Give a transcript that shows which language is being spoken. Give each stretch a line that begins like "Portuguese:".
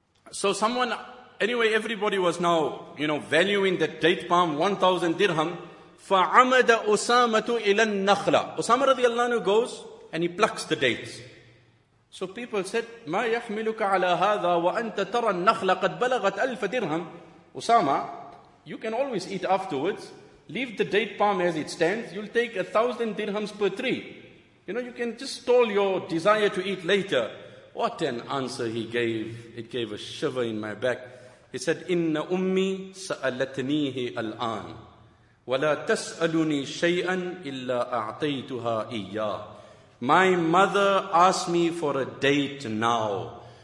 English: So everybody was now, you know, valuing the date palm, 1,000 dirham.
Arabic: فَعَمَدَ أُسَامَةُ إِلَى النَّخْلَةِ
English: Usama radiallahu anhu goes and he plucks the dates. So people said,
Arabic: مَا يَحْمِلُكَ عَلَى هَذَا وَأَنْتَ تَرَى النَّخْلَةَ قَدْ بَلَغَتْ أَلْفَ دِرْهَمْ
English: Usama, you can always eat afterwards. Leave the date palm as it stands. You'll take 1,000 dirhams per tree. You know, you can just stall your desire to eat later. What an answer he gave. It gave a shiver in my back. He said,
Arabic: إِنَّ أُمِّي سَأَلَتْنِيهِ الْآنِ وَلَا تَسْأَلُنِي شَيْئًا إِلَّا أَعْطَيْتُهَا إِيَّا
English: My mother asked me for a date now.